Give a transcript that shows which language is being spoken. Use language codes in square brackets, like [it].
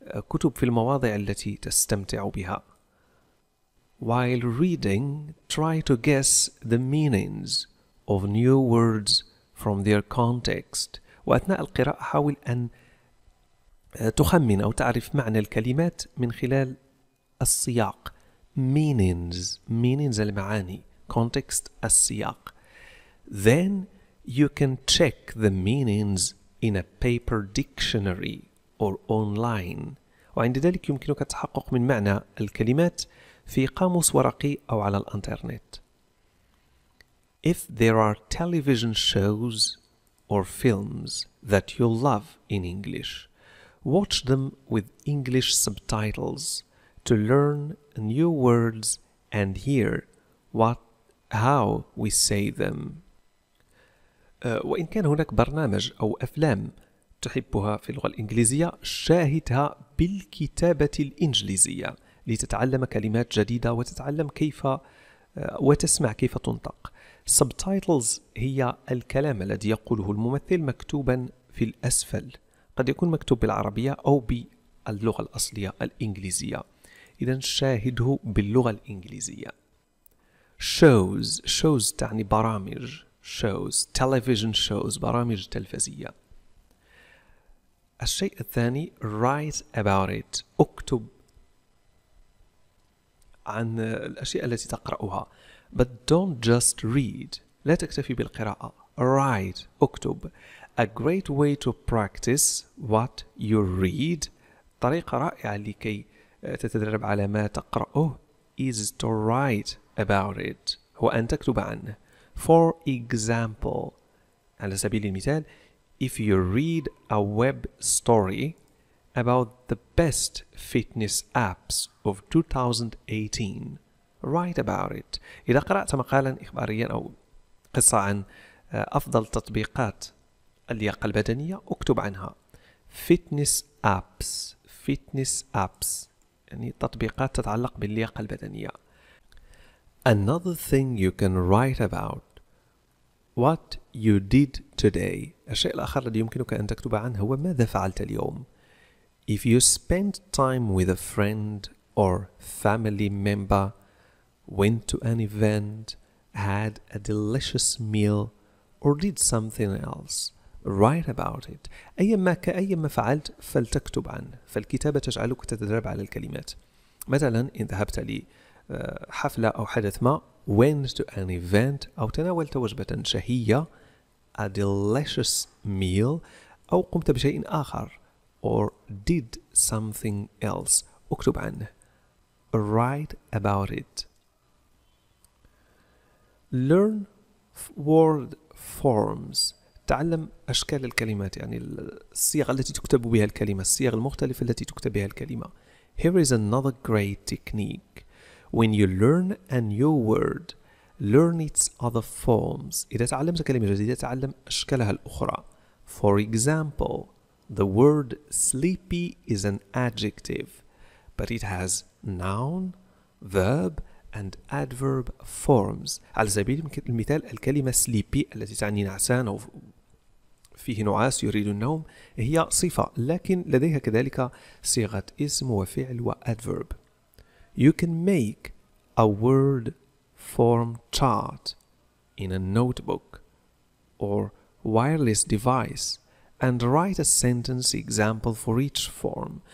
[ar] كتب في المواضيع التي تستمتع بها. [en] While reading, try to guess the meanings of new words from their context. [ar] وأثناء القراءة حاول أن تخمن أو تعرف معنى الكلمات من خلال السياق. [en] Meanings, meanings [ar] المعاني. [en] Context, [ar] السياق. [en] Then you can check the meanings in a paper dictionary or online. [ar] وعند ذلك يمكنك التحقق من معنى الكلمات في قاموس ورقي أو على الانترنت. [en] If there are television shows or films that you love in English, watch them with English subtitles to learn new words and hear how we say them. [ar] وإن كان هناك برنامج أو أفلام تحبها في اللغة الإنجليزية، شاهدها بالكتابة الإنجليزية لتتعلم كلمات جديدة وتتعلم كيف وتسمع كيف تنطق. Subtitles هي الكلام الذي يقوله الممثل مكتوبا في الأسفل، قد يكون مكتوب بالعربية أو باللغة الأصلية الإنجليزية. إذن شاهده باللغة الإنجليزية. [en] Shows. Shows [ar] تعني برامج. [en] Shows. Television shows. [ar] برامج تلفزية. الشيء الثاني. [en] Write about it. [ar] اكتب عن الأشياء التي تقرأها. [en] But don't just read. [ar] لا تكتفي بالقراءة. [en] Write. [ar] اكتب. [en] A great way to practice what you read. [ar] طريقة رائعة لكي تتدرب على ما تقرأه. [en] Is to write about it. [ar] هو أن تكتب عنه. [en] For example, [ar] على سبيل المثال, [en] if you read a web story about the best fitness apps of 2018, write about it. [ar] إذا قرأت مقالا إخباريا أو قصة عن أفضل تطبيقات اللياقة البدنية، اكتب عنها. [en] Fitness apps. [ar] Fitness apps يعني تطبيقات تتعلق باللياقة البدنية. [en] Another thing you can write about, what you did today. [ar] الشيء الآخر الذي يمكنك أن تكتب عنه هو ماذا فعلت اليوم. [en] If you spent time with a friend or family member, went to an event, had a delicious meal, or did something else, write about it. [ar] أيما فعلت فلتكتب عنه. فالكتابة تجعلك تتدرب على الكلمات. مثلا إن ذهبت لي حفلة أو حدث ما، [en] went to an event، [ar] أو تناولت وجبة شهية، [en] a delicious meal، [ar] أو قمت بشيء آخر، [en] or did something else، [ar] اكتب عنه. [en] Write about it. Learn word forms. [ar] تعلم أشكال الكلمات، يعني الصيغ التي تكتب بها الكلمة، الصيغ المختلفة التي تكتب بها الكلمة. [en] Here is another great technique. When you learn a new word, learn its other forms. [ar] إذا تعلمت كلمة جديدة، تعلم أشكالها الأخرى. [en] For example, the word sleepy is an adjective, but it has noun, verb, and adverb forms. [ar] على سبيل المثال، الكلمة sleepy التي تعني نعسان أو فيه نعاس يريد النوم هي صفة، لكن لديها كذلك صيغة اسم وفعل وadverb. [en] You can make a word form chart in a notebook or wireless device and write a sentence example for each form.